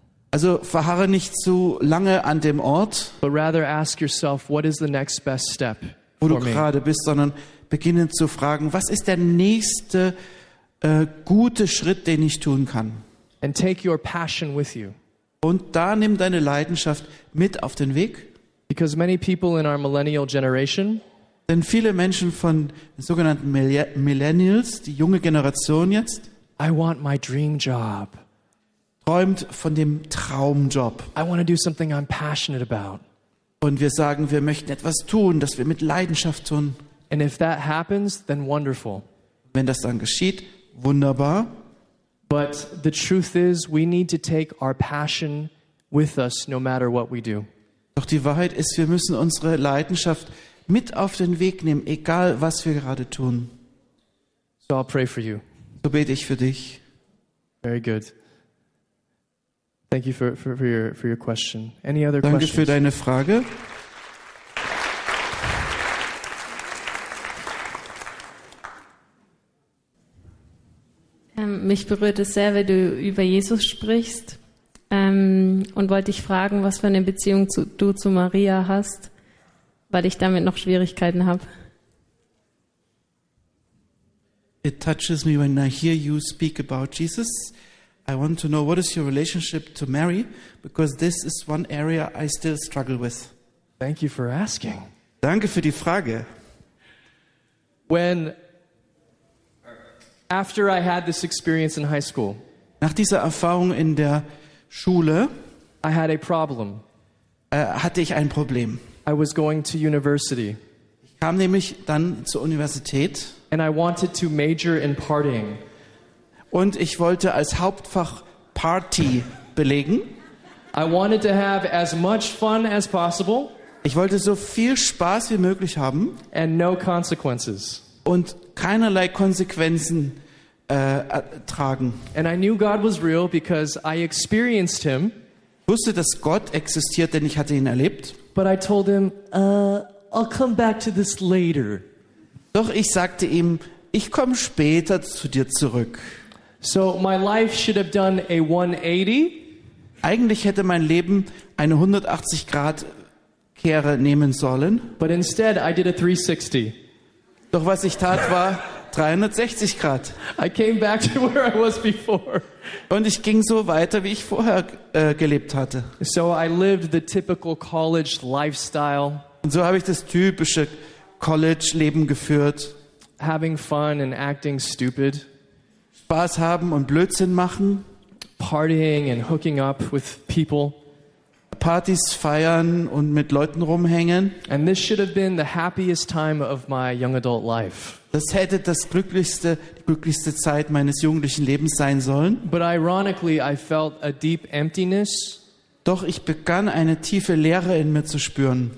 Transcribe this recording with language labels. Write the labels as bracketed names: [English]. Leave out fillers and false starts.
[German] Also verharre nicht zu lange an dem Ort. [English] But rather ask yourself, what is the next best step? [German] Wo du gerade bist, sondern beginne zu fragen, was ist der nächste gute Schritt, den ich tun kann? [English] And take your passion with you. [German] Und da nimm deine Leidenschaft mit auf den Weg. [English] Because many people in our millennial generation, [German] denn viele Menschen von den sogenannten Millennials, die junge Generation jetzt, [English] I want my dream job. [German] Träumt von dem Traumjob. [English] I want to do something I'm passionate about. [German] Und wir sagen, wir möchten etwas tun, das wir mit Leidenschaft tun. [English] And if that happens, then wonderful. [German] Wenn das dann geschieht, wunderbar. [English] But the truth is, we need to take our passion with us, no matter what we do. [German] Doch die Wahrheit ist, wir müssen unsere Leidenschaft mit auf den Weg nehmen, egal was wir gerade tun. [English] So I'll pray for you. [German] So bete ich für dich. [English] Very good. Thank you for your question. Any other [German] Danke [English] questions? [German] Für deine Frage. Mich berührt es sehr, wenn du über Jesus sprichst. Und wollte dich fragen, was für eine Beziehung du zu Maria hast, weil ich damit noch Schwierigkeiten habe. [English] It touches me when I hear you speak about Jesus. I want to know, what is your relationship to Mary? Because this is one area I still struggle with. Thank you for asking. [German] Danke für die Frage. [English] When, after I had this experience in high school, [German] nach dieser Erfahrung in der Schule, [English] I had a problem. [German] Hatte ich ein Problem. [English] I was going to university. [German] Ich kam nämlich dann zur Universität. [English] And I wanted to major in partying. [German] Und ich wollte als Hauptfach Party belegen. [English] I wanted to have as much fun as possible. [German] Ich wollte so viel Spaß wie möglich haben. [English] And no consequences. [German] Und keinerlei Konsequenzen. Tragen. [English] And I knew God was real because I experienced him. [German] Wusste, dass Gott existiert, denn ich hatte ihn erlebt. [English] But I told him, I'll come back to this later. [German] Doch ich sagte ihm, ich komme später zu dir zurück. [English] So my life should have done a 180. [German] Eigentlich hätte mein Leben eine 180 Grad Kehre nehmen sollen. [English] But instead I did a 360. [German] Doch was ich tat war 360 Grad. [English] I came back to where I was before. [German] Und ich ging so weiter, wie ich vorher gelebt hatte. [English] So I lived the typical college lifestyle. [German] Und so habe ich das typische College-Leben geführt. [English] Having fun and acting stupid. [German] Spaß haben und Blödsinn machen. [English] Partying and hooking up with people. [German] Partys feiern und mit Leuten rumhängen. [English] And this should have been the happiest time of my young adult life. [German] Das hätte das glücklichste, die glücklichste Zeit meines jugendlichen Lebens sein sollen. [English] But ironically, I felt a deep emptiness. [German] Doch ich begann eine tiefe Leere in mir zu spüren.